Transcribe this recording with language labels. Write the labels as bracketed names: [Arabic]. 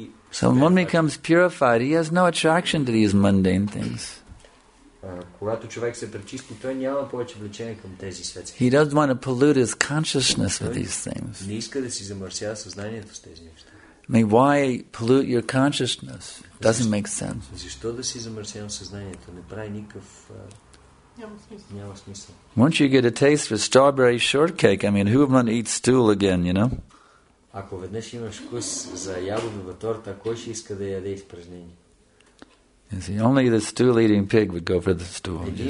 [English] So when he becomes purified, he has no attraction to these mundane things. [Bulgarian] Когато човек се пречисти, той няма повече влечение към тези светски. [English] He doesn't want to pollute his consciousness with these things. [Bulgarian] Не иска да си замърсява съзнанието с тези неща. [English] I mean, why pollute your consciousness? Doesn't make sense. [Bulgarian] Защо да си замърсявам съзнанието? Не прави никакъв няма смисъл. [English] Once you get a taste for strawberry shortcake, I mean, who would want to eat stool again, you know? [Bulgarian] Ако веднъж имаш вкус за ябълкова торта, кой ще иска да яде изпражнение? [English] You see, only the stool-eating pig would go for the stool.